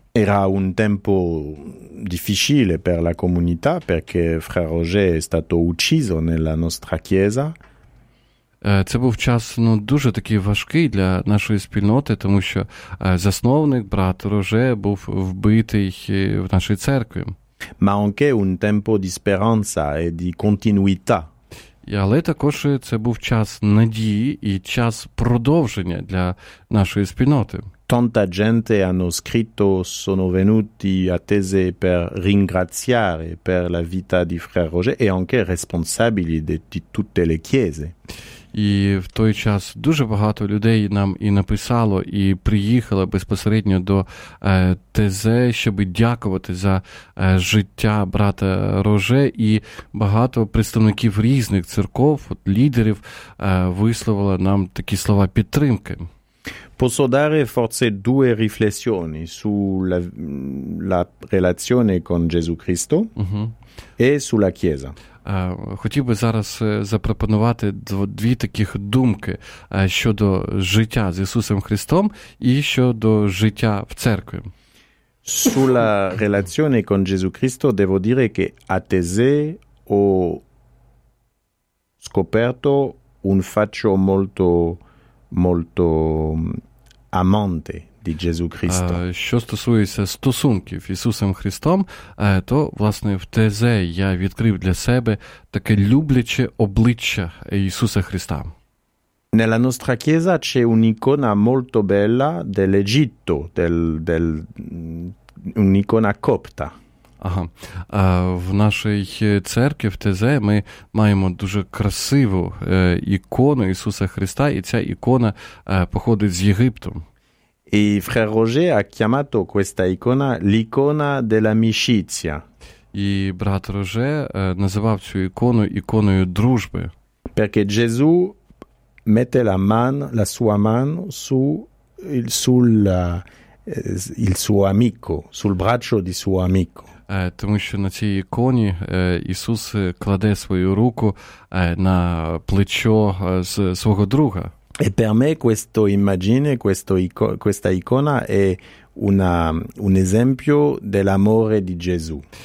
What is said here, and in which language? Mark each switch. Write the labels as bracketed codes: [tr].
[it] Era un tempo difficile per la comunità perché frère Roger è stato ucciso nella nostra chiesa. [uk] Це був час, ну, дуже такий важкий для нашої спільноти, тому що засновник, брат Роже, був вбитий в нашій церкві. [it] Ma anche un tempo di speranza e di continuità. [uk] Але також це був час надії і час продовження для нашої спільноти. [it] Tanta gente hanno scritto, sono venuti a Tese per ringraziare per la vita di Frère Roger e anche responsabili di tutte le chiese. [uk] І в той час дуже багато людей нам і написало, і приїхало безпосередньо до Тезе, щоб дякувати за життя брата Роже. І багато представників різних церков, от, лідерів, висловили нам такі слова підтримки. [it] Posso dare forse due riflessioni sulla la relazione con Gesù Cristo e sulla Chiesa. [uk] Хотів би зараз запропонувати дві таких думки щодо життя з Ісусом Христом і щодо життя в церкві. [it] Sulla relazione con Gesù Cristo devo dire che a Tese ho scoperto un faccio molto molto amante di Gesù Cristo. [uk] Що стосується стосунків Ісусом Христом, то, власне, в Тезе я відкрив для себе таке любляче обличчя Ісуса Христа. [it] Nella nostra chiesa c'è un'icona molto bella dell'Egitto, del un'icona copta. Ага. [uk] В нашій церкві в Тезе ми маємо дуже красиву ікону Ісуса Христа, і ця ікона походить з Єгипту. [it] E Frère Roger ha chiamato questa icona l'icona dell'amicizia. [uk] І брат Роже називав цю ікону іконою дружби. [it] Perché Gesù mette la sua mano sul braccio di suo amico. [uk] Тому що на цій іконі Ісус кладе свою руку на плечо свого друга. [it] E per me questo immagine, questa icona è un esempio dell'amore di Gesù.